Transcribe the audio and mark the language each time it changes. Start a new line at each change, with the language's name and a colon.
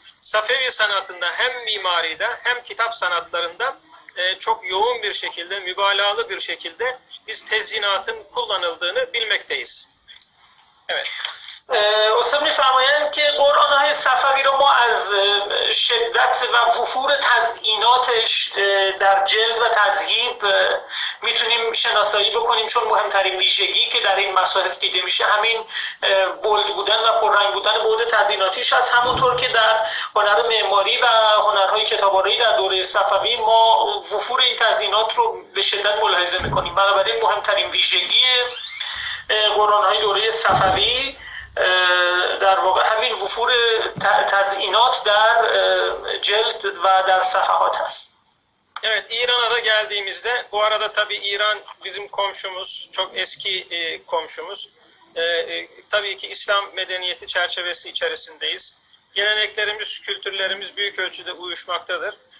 Turkish: Safevi sanatında hem mimaride hem kitap sanatlarında çok yoğun bir şekilde, mübalağalı bir şekilde biz tezyinatın kullanıldığını bilmekteyiz. Evet.
Persian: استاد میفرمایند که قرآن های صفوی رو ما از شدت و وفور تزئیناتش در جلد و تذهیب میتونیم شناسایی بکنیم، چون مهمترین ویژگی که در این مصاحف دیده میشه همین بولد بودن و پررنگ بودن بعد تزئیناتیش است، همونطور که در هنر معماری و هنرهای کتابارویی در دوره صفوی ما وفور این تزئینات رو به شدت ملاحظه میکنیم. بنابراین مهمترین ویژگی قرآن های دوره صفوی در واقع همین وفور تزئینات در جلد و در صفحات هست.
Turkish: Evet, İran'a da geldiğimizde, bu arada tabii İran bizim komşumuz, çok eski komşumuz. Tabii ki İslam medeniyeti çerçevesi içerisindeyiz. Geleneklerimiz, kültürlerimiz büyük ölçüde uyuşmaktadır.